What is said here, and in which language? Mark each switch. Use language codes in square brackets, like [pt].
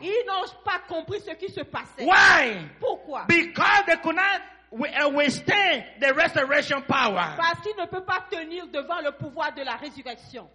[fr] Ils n'ont pas compris ce qui se passait. [en] Why? [fr] Pourquoi? [en] Because they could not withstand the resurrection power. [fr] Parce qu'il ne peut pas tenir devant le pouvoir de la résurrection.